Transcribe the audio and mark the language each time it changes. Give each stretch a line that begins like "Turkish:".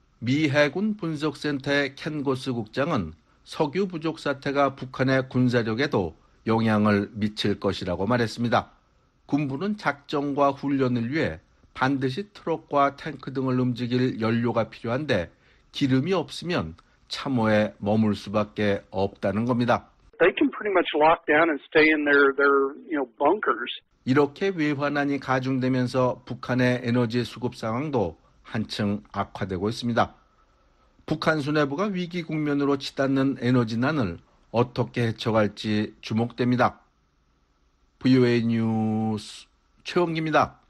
Korean: 미 해군 분석센터의 켄 고스 국장은 석유 부족 사태가 북한의 군사력에도 영향을 미칠 것이라고 말했습니다. 군부는 작전과 훈련을 위해 반드시 트럭과 탱크 등을 움직일 연료가 필요한데 기름이 없으면 참호에 머물 수밖에 없다는 겁니다.
English: They can pretty much lock down and stay in their you know, bunkers.
Korean: 이렇게 외환안이 가중되면서 북한의 에너지 수급 상황도 한층 악화되고 있습니다. 북한 수뇌부가 위기 국면으로 치닫는 에너지난을 어떻게 헤쳐갈지 주목됩니다. VOA 뉴스 최원기입니다.